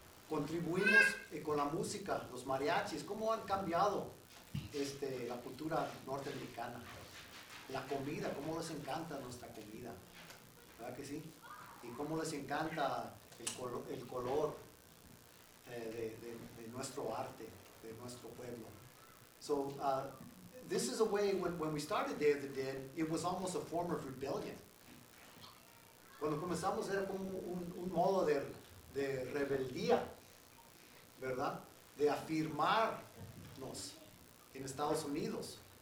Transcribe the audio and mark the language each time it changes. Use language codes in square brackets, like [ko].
[es] Contribuimos con la música, los mariachis, cómo han cambiado este, la cultura norteamericana. La comida, cómo les encanta nuestra comida, ¿verdad que sí? Y cómo les encanta el color de nuestro arte, de nuestro pueblo. [en] So, this is a way, when we started Day of the Dead, it was almost a form of rebellion. [es] Cuando comenzamos era como un modo de rebeldía, ¿verdad? De afirmarnos en Estados Unidos.